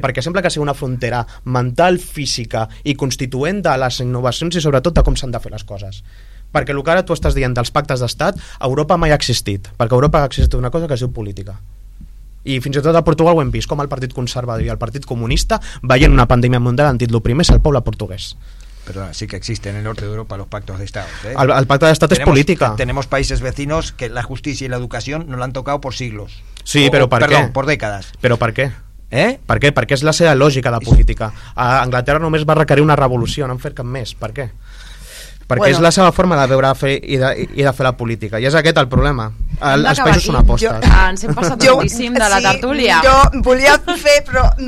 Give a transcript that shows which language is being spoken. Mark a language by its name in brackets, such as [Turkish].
[Catalan] Perquè sembla que sigui una frontera mental, física i constituent de les innovacions i sobretot de com s'han de fer les coses. Perquè el que ara tu estàs dient dels pactes d'estat, Europa mai ha existit, perquè Europa ha existit una cosa que es diu política. I fins i tot a Portugal ho hem vist, com el Partit Conservador i el Partit Comunista, veient una pandèmia mundial, han dit: lo primer és el poble portuguès. [Spanish] Perdona, sí que existen en el norte de Europa los pactos de Estado. ¿Eh? [Catalan] El pacte d'estat és política. [Spanish] Tenemos países vecinos que la justicia y la educación no la han tocado por siglos. Sí, por décadas. [Catalan] Però per què? ¿Eh? Per què? Perquè és la seva lògica de política. A Anglaterra només va requerir una revolució, no han fet cap més. Per què? Perquè és la seva forma de veure i de fer la política. I és aquest el problema. els països són apostes. Jo, ens hem passat moltíssim de la tertúlia. Jo volia fer, però...